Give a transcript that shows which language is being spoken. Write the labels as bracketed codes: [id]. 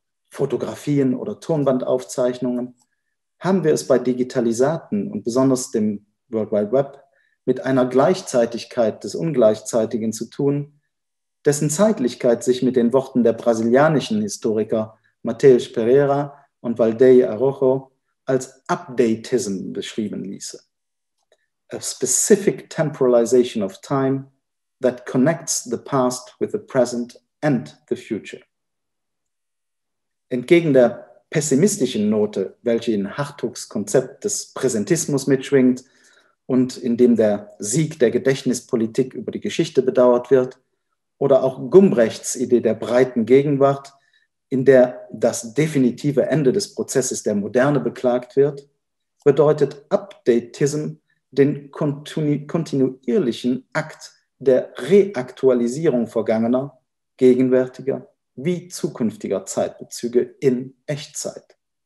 [de] Fotografien oder Tonbandaufzeichnungen, haben wir es bei Digitalisaten und besonders dem World Wide Web mit einer Gleichzeitigkeit des Ungleichzeitigen zu tun, dessen Zeitlichkeit sich mit den Worten der brasilianischen Historiker Mateus Pereira und Valdeir Araujo als Updatism beschrieben ließe. [en] A specific temporalization of time that connects the past with the present and the future. [de] Entgegen der pessimistischen Note, welche in Hartogs Konzept des Präsentismus mitschwingt und in dem der Sieg der Gedächtnispolitik über die Geschichte bedauert wird, oder auch Gumbrechts Idee der breiten Gegenwart, in der das definitive Ende des Prozesses der Moderne beklagt wird, bedeutet Updatism den kontinuierlichen Akt der Reaktualisierung vergangener, gegenwärtiger wie zukünftiger Zeitbezüge in Echtzeit.